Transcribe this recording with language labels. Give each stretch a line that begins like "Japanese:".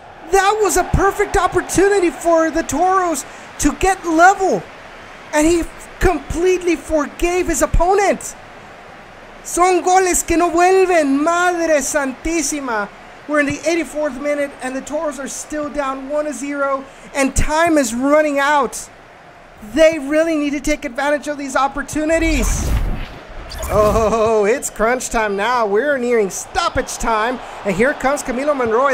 English: That was a perfect opportunity for the Toros to get level. And he completely forgave his opponent.
Spanish: Son goles que no vuelven, madre santísima.
English: We're in the 84th minute and the Toros are still down 1-0 and time is running out. They really need to take advantage of these opportunities. Oh, it's crunch time now. We're nearing stoppage time. And here comes Camilo Monroy.